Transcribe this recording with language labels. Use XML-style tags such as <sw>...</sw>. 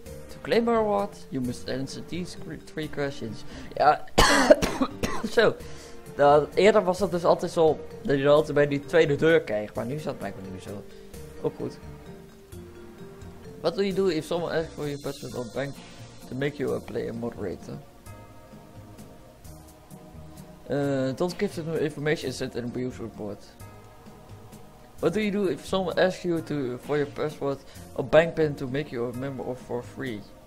<en>To claim our reward, you must answer these three questions.</en> <nl>Ja. Zo. Eerder was dat dus altijd zo dat je dan altijd bij die tweede deur kreeg, maar nu is dat blijkbaar niet zo. Ook goed.</nl> <en>What do you do if someone asks for your password or bank to make you a player moderator? Don't give them information and send an abuse report. What do you do if someone asks you for your password or bank pin to make you a member of for free?</en>